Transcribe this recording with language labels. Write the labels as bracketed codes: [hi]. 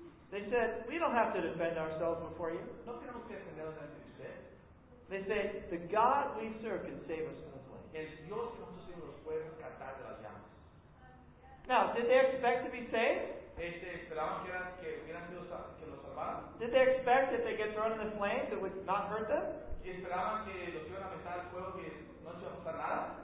[en] They said, we don't have to defend ourselves before you. [es] No tenemos que defendernos ante usted. [en] They say, the God we serve can save us from the flames. [es] El Dios que nosotros servimos nos puede rescatar de las llamas. [en] Now, did they expect to be saved? [es] Esperaban que hubieran sido que los salvaran. [en] Did they expect that they get thrown in the flames that would not hurt them? [es] Esperaban que los iban a meter al fuego que no se iban a pasar nada.